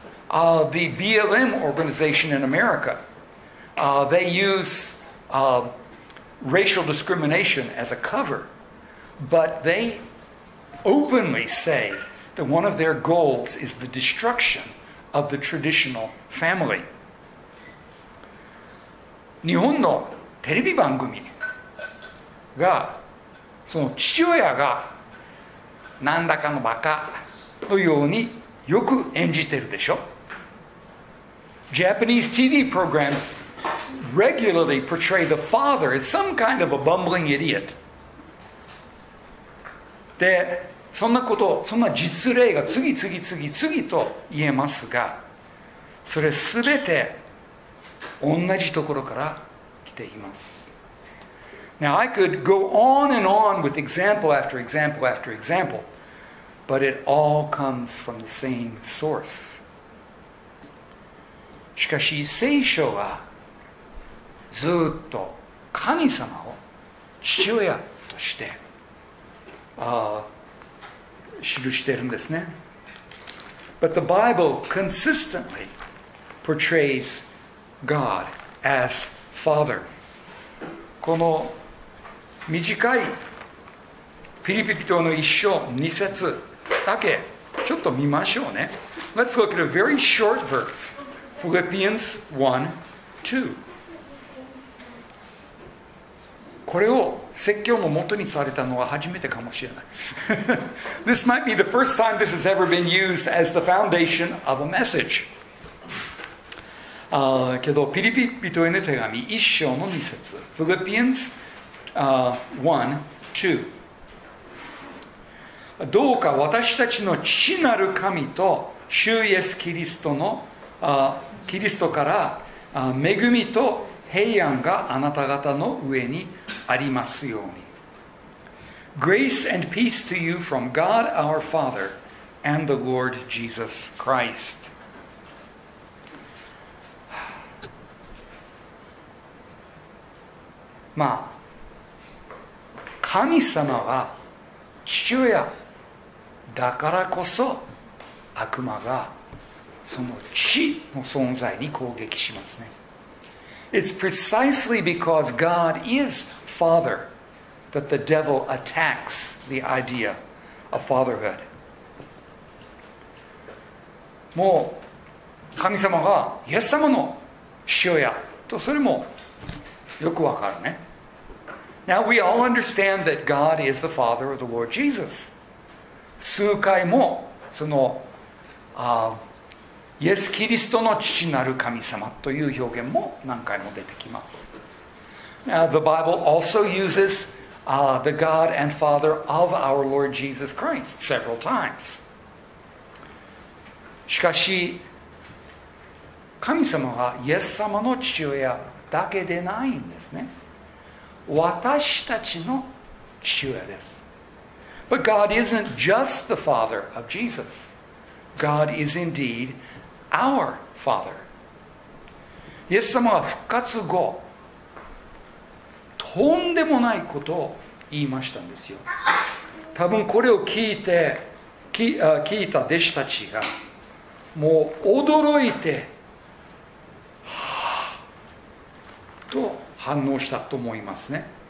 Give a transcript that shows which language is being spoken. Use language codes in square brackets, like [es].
[en] The BLM organization in America, they useracial discrimination as a cover, but they openly say that one of their goals is the destruction of the traditional family. [ja] 日本のテレビ番組がその父親がなんだかのバカのようによく演じてるでしょ。 [en] Japanese TV programsregularly portray the father as some kind of a bumbling idiot. [ja] で、そんなこと、そんな実例が次々と言えますが、それすべて同じところから来ています。 [en] Now I could go on and on with example after example after example, but it all comes from the same source. [ja] しかし聖書はずっと神様を父親として記しているんですね。 [en] But the Bible consistently portrays God as Father. [ja] この短いピリピ人の一章二節だけちょっと見ましょうね。 [en] Let's look at a very short verse, Philippians 1:2. [ja] これを説教の元にされたのは初めてかもしれない。 [en] This might be the first time this has ever been used as the foundation of a message. [ja] けどピリピ人への手紙一章の二節、 [en] Philippians 1:2. [ja] どうか私たちの父なる神と主イエスキリストのキリストから恵みと平安があなた方の上にありますように。 [en] Grace and peace to you from God our Father and the Lord Jesus Christ. [ja] まあ、神様は父親。だからこそ悪魔がその地の存在に攻撃しますね。 [en] It's precisely because God is Father that the devil attacks the idea of fatherhood. [ja] もう神様がイエス様の父親とそれもよくわかるね。 [en] Now we all understand that God is the Father of the Lord Jesus. [ja] 数回もそのイエス・キリストの父なる神様という表現も何回も出てきます。 [en] Now, the Bible also uses the God and Father of our Lord Jesus Christ several times. [ja] しかし、神様はイエス様の父親だけでないんですね。私たちの父親です。 [en] But God isn't just the Father of Jesus. God is indeed our Father. [ja] イエス様は復活後、とんでもないことを言いましたんですよ。多分これを聞いた弟子たちが、もう驚いて、と反応したと思いますね。